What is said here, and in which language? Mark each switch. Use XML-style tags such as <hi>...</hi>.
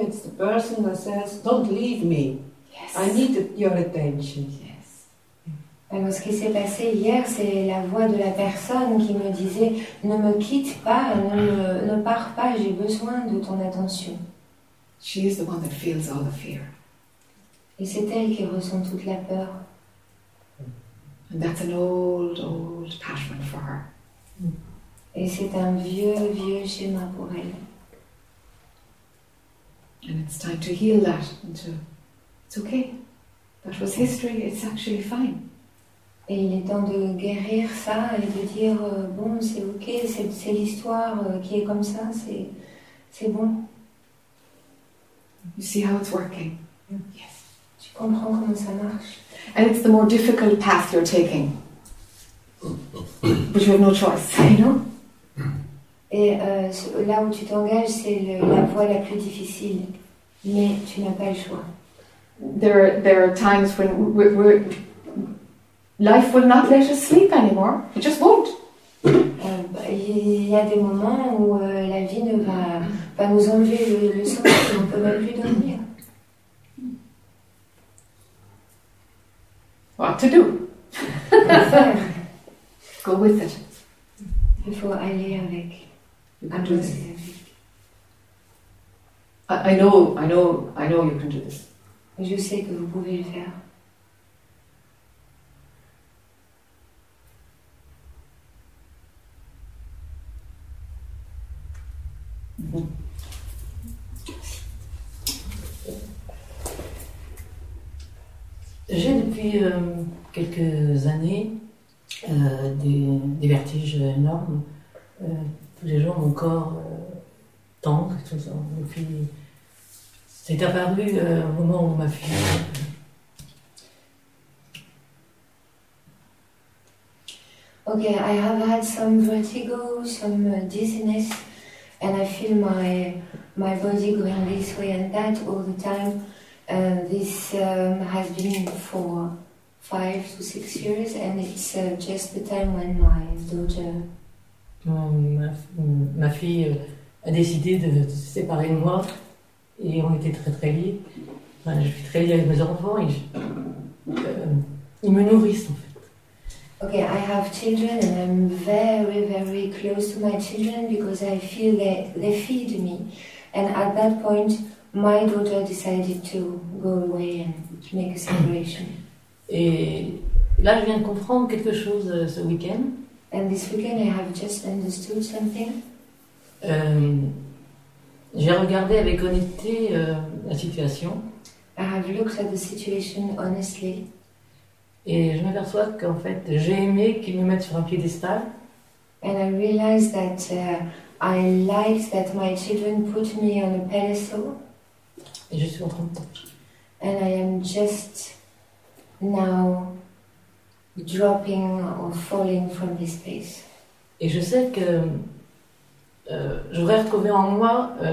<en>It's the person that says, "Don't leave me. Yes. I need your attention." Yes.</en> <fr>Alors, ce qui s'est passé hier, c'est la voix de la personne qui me disait, "Ne me quitte pas, ne pars pas. J'ai besoin de ton attention."</fr> <en>She is the one that feels all the fear.</en> <fr>Et c'est elle qui ressent toute la peur.</fr> <en>And that's an old, old pattern for her.</en> <fr>Et c'est un vieux schéma pour elle.</fr> <en>And it's time to heal that. And to, it's okay. That was history. It's actually fine.</en> <fr>Et il est temps de guérir ça et de dire bon, c'est ok, c'est l'histoire qui est comme ça, c'est bon.</fr> <en>You see how it's working? Yes.</en> <fr>Tu comprends comment ça marche.</fr> <en>And it's the more difficult path you're taking. But you have no choice, you know?</en> <fr>Et là où tu t'engages, c'est la voie la plus difficile. Mais tu n'as pas le choix.</fr> <en>There are times when life will not let us sleep anymore. It just won't.</en> <fr>Il y a des moments où la vie ne va nous enlever le sommeil. On ne peut même plus dormir.</fr> <en>What to do? Go with it.</en> <fr>Il faut aller avec.</fr> <en>You can do this. I know you can do this.</en> <fr>Je sais que vous pouvez le faire. J'ai depuis quelques années des vertiges énormes. Tous les jours, mon corps tendre et tout ça. Et puis, c'est apparu au moment où ma fille.</fr> <en>Okay, I have had some vertigo, some dizziness, and I feel my body going this way and that all the time. This has been for 5 to 6 years, and it's just the time when my daughter...</en> <fr>Ma fille a décidé de se séparer de moi, et on était très très liés. Enfin, je suis très liée avec mes enfants, et ils me nourrissent en fait.</fr> <en>Okay, I have children and I'm very, very close to my children because I feel that they feed me. And at that point, my daughter decided to go away and make a separation.</en> <fr>Et là, je viens de comprendre quelque chose ce week-end.</fr> <en>And this weekend, I have just understood something.</en> <fr>J'ai regardé avec honnêteté la situation.</fr> <en>I have looked at the situation honestly.</en> <fr>Et je m'aperçois qu'en fait, j'ai aimé qu'ils me mettent sur un piédestal.</fr> <en>And I realize that I liked that my children put me on a pedestal.</en> <fr>Et je suis en train de...</fr> <en>And I am just now dropping or falling from this place.</en> <fr>Et je sais que je voudrais retrouver en moi...</fr>